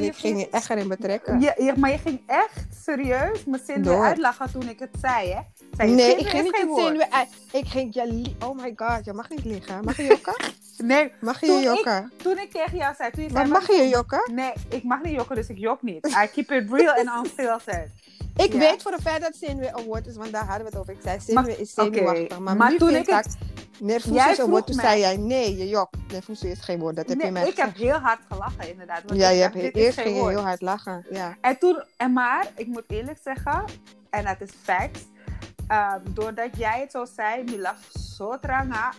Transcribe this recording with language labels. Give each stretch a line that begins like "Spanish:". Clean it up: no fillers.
Dutch: en ik ging je echt erin betrekken. Ja, maar je ging echt serieus mijn zenuwen uitlachen toen ik het zei, hè? Nee, ik ging niet het zenuwen uit. Ik ging,
English: oh my god,
Dutch: je mag niet liggen. Mag je jokken? Nee. Mag je jokken? Toen ik tegen jou zei... Toen je maar zei, mag je jokken? Nee, ik mag niet jokken, dus ik jok niet.
English: I keep it real and unfiltered.
Dutch: Ik weet voor een feit dat zenuwen een woord is, want daar hadden we het over. Ik zei, zenuwen is zenuwachtig. Okay. Maar toen ik het... Nervoso is een woord. Toen zei jij, nee, je jok. Nervoso is geen woord. Dat heb je mij gezegd. Ik heb heel hard gelachen, inderdaad. Want ja, je hebt eerst ging je heel hard lachen. Ja. En toen, en maar, ik moet eerlijk zeggen, en dat is facts, doordat jij het zo zei,
Papiamento: mi lach zo tranga.